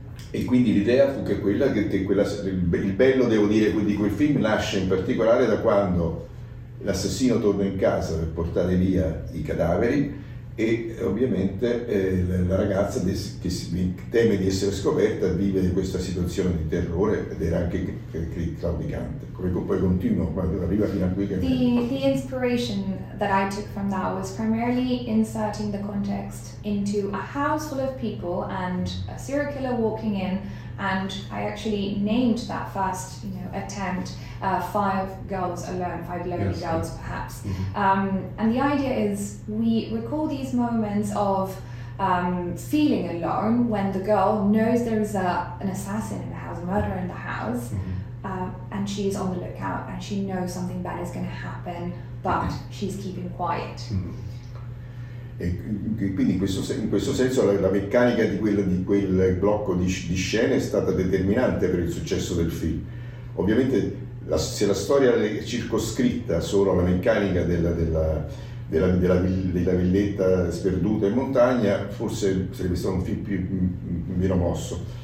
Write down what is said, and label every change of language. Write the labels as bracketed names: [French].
[Italian] E quindi l'idea fu che quella il bello, devo dire, di quel film nasce in particolare da quando l'assassino torna in casa per portare via i cadaveri e ovviamente la ragazza che teme di essere scoperta vive questa situazione di terrore ed era anche claudicante. Come poi continuo quando arriva fino a qui che... [English] The inspiration that I took from that was primarily inserting the context into a house full of people and a serial killer walking in, and I actually named that first attempt Five Girls Alone, Five Lonely yes. Girls perhaps. Mm-hmm. And the idea is we recall these moments of feeling alone when the girl knows there is an assassin in the house, a murderer in the house, mm-hmm. And she's on the lookout and she knows something bad is going to happen, but mm-hmm. she's keeping quiet. Mm-hmm. [Italian] E quindi in questo senso la meccanica di quel blocco di scene è stata determinante per il successo del film. Ovviamente se la storia è circoscritta solo alla meccanica della, della, della villetta sperduta in montagna, forse sarebbe stato un film meno mosso.